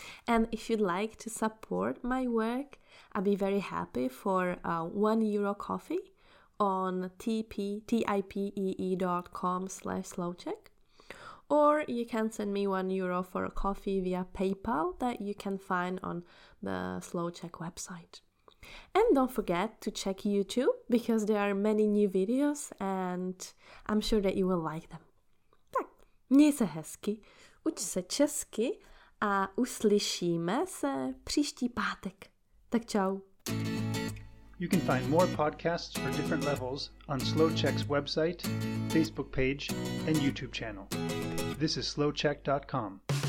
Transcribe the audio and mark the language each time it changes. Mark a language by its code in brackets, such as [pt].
[en] And if you'd like to support my work, I'd be very happy for a 1 euro coffee on tipee.com/slowcheck. Or you can send me 1 euro for a coffee via PayPal that you can find on the Slow Czech website. And don't forget to check YouTube, because there are many new videos and I'm sure that you will like them. [cs] Tak, měj se hezky, uč se česky a uslyšíme se příští pátek. Tak čau. [en] You can find more podcasts for different levels on Slow Czech's website, Facebook page and YouTube channel. This is slowcheck.com.